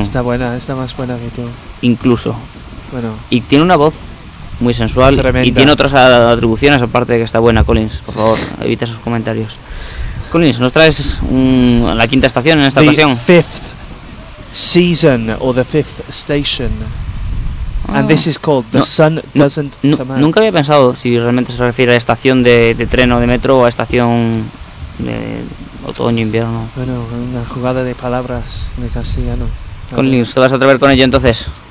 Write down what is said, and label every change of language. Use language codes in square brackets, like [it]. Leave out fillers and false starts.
[es] Está buena, está más buena que tú. Incluso. Bueno. Y tiene una voz muy sensual. Tremenda. Y tiene otras atribuciones aparte de que está buena, Collins. Por favor, evita esos comentarios. Collins, ¿nos traes la quinta estación en esta [en] the [es] ocasión? [en] Fifth season or the fifth station. And this is called The Sun Doesn't Come Out. [es] Nunca había pensado si realmente se refiere a estación de tren o de metro o a estación de otoño, invierno. Bueno, una jugada de palabras en el castellano. Collins, ¿te vas a atrever con ello entonces?